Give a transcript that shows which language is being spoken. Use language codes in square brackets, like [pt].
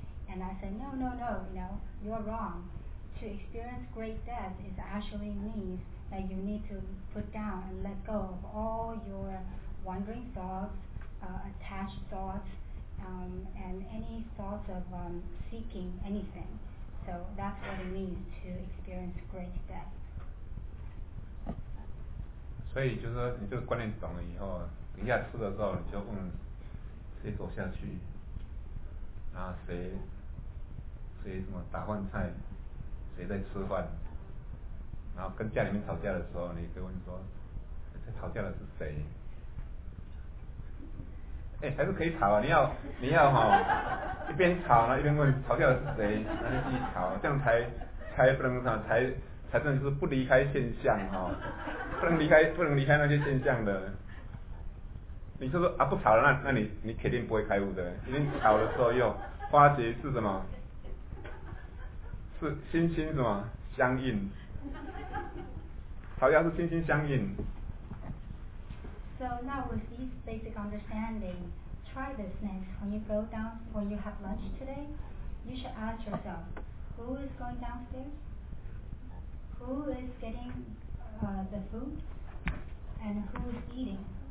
[en] And I said, no, you know, you're wrong. To experience great death is actually means that you need to put down and let go of all your wandering thoughts, attached thoughts, and any thoughts of seeking anything. So that's what it means to experience great death. [zh] 所以就是说你这个观念懂了以后，等一下吃的时候你就问谁走下去啊，谁什么打饭菜，谁在吃饭，然后跟家里面吵架的时候你可以问说在吵架的是谁。哎，还是可以吵啊，你要哈，一边吵呢一边问吵架的是谁，那就继续吵，这样才不能吵，才真的是不离开现象哈，不能离开那些现象的。你就说啊不吵了，那你肯定不会开悟的，因为吵的时候又发觉是什么，是心心什么相印，吵架是心心相印。 [en] So now with this basic understanding, try this next. When you go down, when you have lunch today, you should ask yourself, who is going downstairs? Who is getting the food? And who is eating?